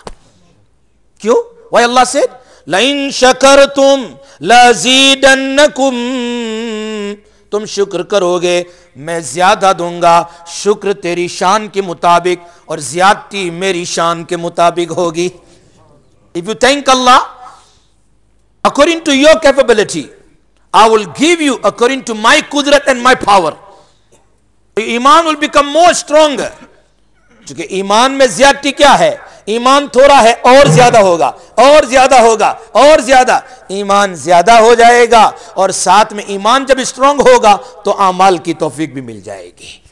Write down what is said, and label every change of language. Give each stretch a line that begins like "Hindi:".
Urdu: کیوں؟
English: Why Allah said
Arabic: لَئِن شَكَرْتُمْ لَزِيدَنَّكُمْ,
Urdu: تم شکر کرو گے میں زیادہ دوں گا. شکر تیری شان کے مطابق اور زیادتی میری شان کے مطابق ہوگی.
English: If you thank Allah according to your capability, I will give you according to my قدرت and my power. ایمان will become more strong.
Urdu: چونکہ ایمان میں زیادتی کیا ہے؟ ایمان تھوڑا ہے اور زیادہ ہوگا, اور زیادہ ہوگا, اور زیادہ. ایمان زیادہ ہو جائے گا اور ساتھ میں ایمان جب اسٹرانگ ہوگا تو اعمال کی توفیق بھی مل جائے گی.